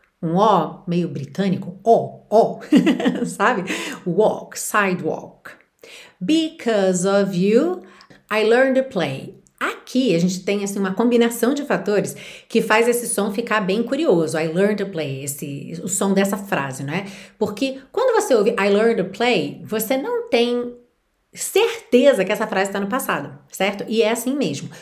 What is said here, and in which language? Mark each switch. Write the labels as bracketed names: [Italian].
[Portuguese] Um O meio britânico, O, sabe? [English] Walk, sidewalk. Because of you, I learned to play. [Portuguese] Aqui a gente tem assim uma combinação de fatores que faz esse som ficar bem curioso. [English] I learned to play, [Portuguese] esse o som dessa frase, não é? Porque quando você ouve I learned to play, você não tem certeza que essa frase está no passado, certo? E é assim mesmo.